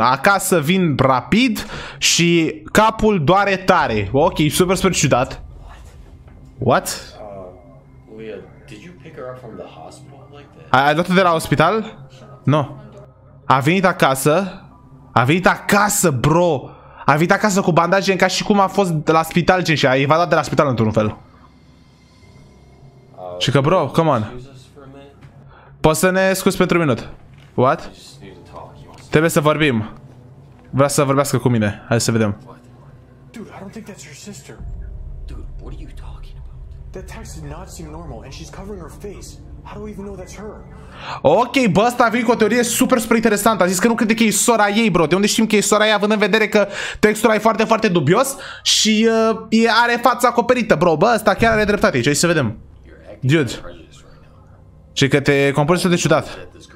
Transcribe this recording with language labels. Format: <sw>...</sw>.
<ro>Acasă vin rapid și capul doare tare. Ok, super super ciudat. What?</ro> <en>Leah, did you pick her up from the hospital like that?</en> <ro>Ai luat-o de la ospital? No. A venit acasă. A venit acasă, bro. A venit acasă cu bandaje, ca și cum a fost de la spital, gen, și a evadat de la spital într-un fel. Și că, bro,</ro> <en>come on.</en> <ro>Poți să ne scuzi pentru un minut? What? Trebuie să vorbim. Vrea să vorbească cu mine. Hai să vedem.</ro> <en>Dude, I don't think that's your sister. Dude, what are you talking about? That text did not seem normal and she's covering her face. How do we even know that's her?</en> <ro>Ok, bă, ăsta a venit cu o teorie super, super interesantă. A zis că nu crede că e sora ei, bro. De unde știm că e sora ei, având în vedere că textul ăla e foarte, foarte dubios și are fața acoperită, bro. Bă, ăsta chiar are dreptate aici. Hai să vedem. Dude. Și că te comporți de ciudat.</ro>